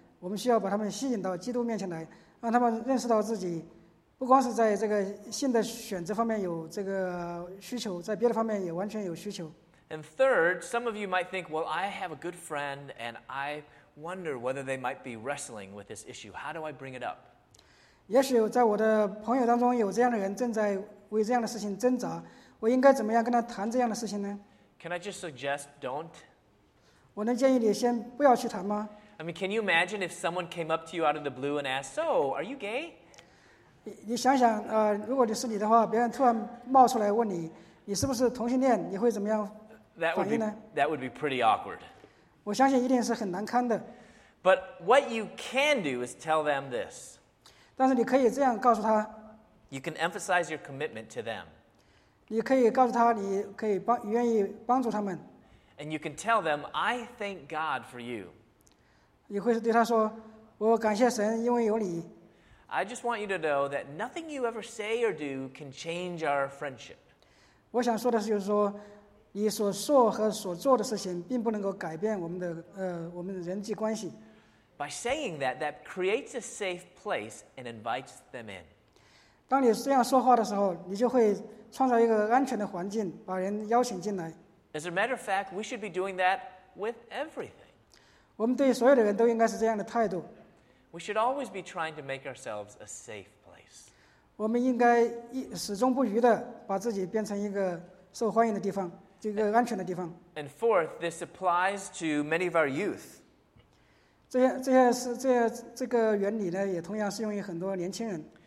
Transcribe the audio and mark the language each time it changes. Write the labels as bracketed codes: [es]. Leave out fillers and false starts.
[zh] 我们需要把他们吸引到基督面前来，让他们认识到自己不光是在这个性的选择方面有这个需求，在别的方面也完全有需求。 [en] And third, some of you might think, well, I have a good friend and I wonder whether they might be wrestling with this issue. How do I bring it up? [zh] 也许在我的朋友当中有这样的人正在为这样的事情挣扎，我应该怎么样跟他谈这样的事情呢？ [en] Can I just suggest don't? [zh] 我能建议你先不要去谈吗？ [en] I mean, can you imagine if someone came up to you out of the blue and asked, "So, are you gay?" [zh] 你想想，如果你是你的话，别人突然冒出来问你，你是不是同性恋？你会怎么样反应呢？ [en] That would be pretty awkward. [zh] 我相信一定是很难堪的。 [en] But what you can do is tell them this. [zh] 但是你可以这样告诉他。 [en] You can emphasize your commitment to them. [zh] 你可以告诉他，你可以帮，愿意帮助他们。 [en] And you can tell them, "I thank God for you." [zh] 你会对他说，我感谢神，因为有你。 [en] I just want you to know that nothing you ever say or do can change our friendship. [zh] 我想说的是，就是说，你所说和所做的事情，并不能够改变我们的我们的人际关系。 [en] By saying that, that creates a safe place and invites them in. [zh] 当你这样说话的时候，你就会创造一个安全的环境，把人邀请进来。 [en] As a matter of fact, we should be doing that with everything. [zh] 我们对所有的人都应该是这样的态度。 [en] We should always be trying to make ourselves a safe place. [zh] 我们应该始终不渝地把自己变成一个受欢迎的地方，一个安全的地方。 [en] And fourth, this applies to many of our youth. [zh] 这个原理呢，也同样适用于很多年轻人。